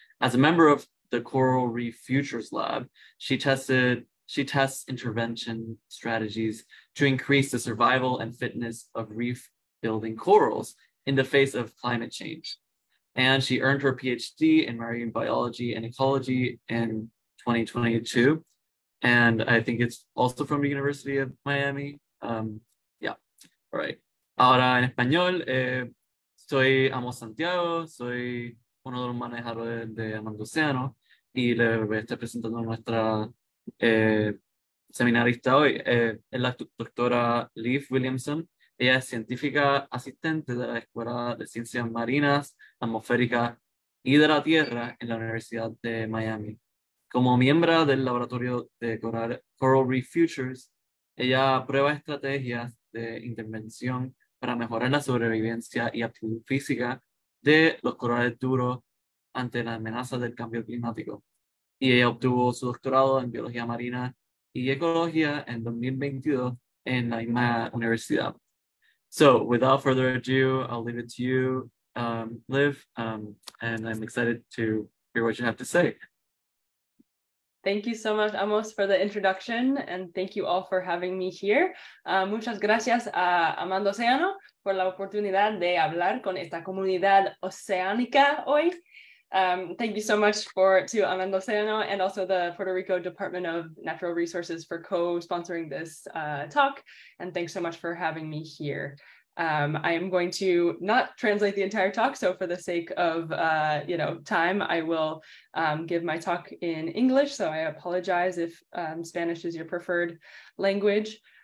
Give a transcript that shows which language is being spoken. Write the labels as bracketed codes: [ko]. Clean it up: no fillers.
[en] As a member of the Coral Reef Futures Lab, she tests intervention strategies to increase the survival and fitness of reef-building corals in the face of climate change. And she earned her PhD in marine biology and ecology in 2022. And I think it's also from the University of Miami. All right. [es] Ahora en español, soy Amos Santiago, soy uno de los manejadores de Amando Oceano, y le voy a estar presentando a nuestra seminarista hoy. Es la doctora Liv Williamson. Ella es científica asistente de la Escuela de Ciencias Marinas, Atmosféricas y de la Tierra en la Universidad de Miami. Como miembro del laboratorio de Coral Reef Futures, ella prueba estrategias de intervención para mejorar la sobrevivencia y aptitud física de los corales duros ante la amenaza del cambio climático. Y ella obtuvo su doctorado en biología marina y ecología en 2022 en la misma universidad. [en] So, without further ado, I'll leave it to you, Liv, and I'm excited to hear what you have to say. Thank you so much, Amos, for the introduction, and thank you all for having me here. [es] Muchas gracias a Amanda Oceano por la oportunidad de hablar con esta comunidad oceánica hoy. [en] Thank you so much to Amanda Oceano and also the Puerto Rico Department of Natural Resources for co-sponsoring this talk, and thanks so much for having me here. I am going to not translate the entire talk, so for the sake of time, I will give my talk in English, so I apologize if Spanish is your preferred language.